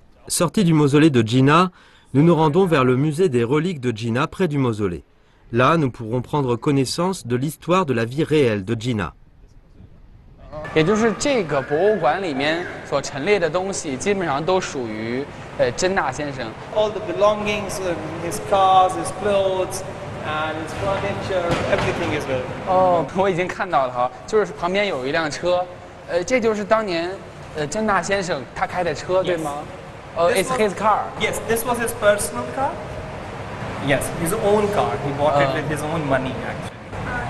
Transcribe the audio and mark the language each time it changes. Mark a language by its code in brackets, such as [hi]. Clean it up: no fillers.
[fr] Sorti du mausolée de Gina, nous nous rendons vers le musée des reliques de Gina près du mausolée. Là, nous pourrons prendre connaissance de l'histoire de la vie réelle de Gina. [zh] 也就是这个博物馆里面所陈列的东西，基本上都属于珍娜先生。 [en] All the belongings, his cars, his clothes. and it's furniture, everything is there. [zh] 哦，我已经看到了哈，就是旁边有一辆车，这就是当年，甄大先生他开的车，对吗？ [en] It's his car. Yes, this was his personal car. Yes, his own car. He bought it with his own money, actually.